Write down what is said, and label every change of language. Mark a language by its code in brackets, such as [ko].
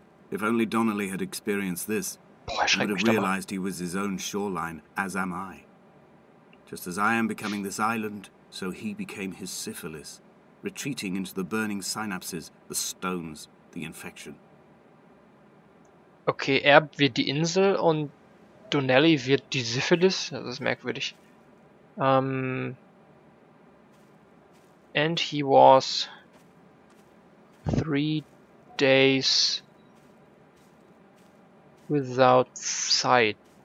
[en] If only Donnelly had experienced this, he would have realized he was his own shoreline, as am I. Just as I am becoming this island, so he became his syphilis. Retreating into the burning synapses, the stones, the infection. [de] Okay, er wird die Insel und Donnelly wird die Syphilis. Das ist merkwürdig. [en] And he was 3 days without sight.